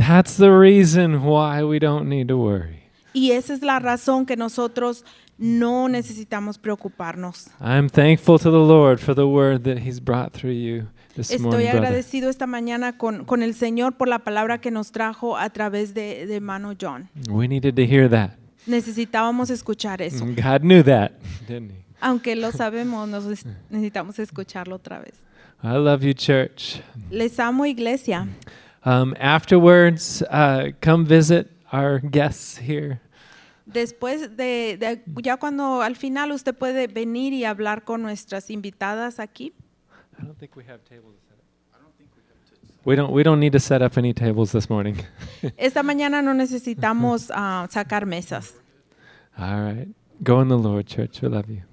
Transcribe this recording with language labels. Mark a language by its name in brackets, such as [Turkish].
[English] That's the reason why we don't need to worry. [Spanish] Y esa es la razón que nosotros no necesitamos preocuparnos. [English] I'm thankful to the Lord for the word that He's brought through you this [Spanish] Estoy [English] morning, brother. [Spanish] Estoy agradecido esta mañana con el Señor por la palabra que nos trajo a través de mano John. [English] We needed to hear that. [Spanish] Necesitábamos escuchar eso. [English] God knew that, didn't He? [Spanish] Aunque lo sabemos, nos necesitamos escucharlo otra vez. [English] I love you, church. [Spanish] Les amo, iglesia. [English] Afterwards, come visit our guests here. [Spanish] Después de ya cuando al final usted puede venir y hablar con nuestras invitadas aquí. [English] I don't think we have tables. We don't need to set up any tables this morning. [Spanish] Esta mañana no necesitamos sacar mesas. [English] All right. Go in the Lord, church. We love you.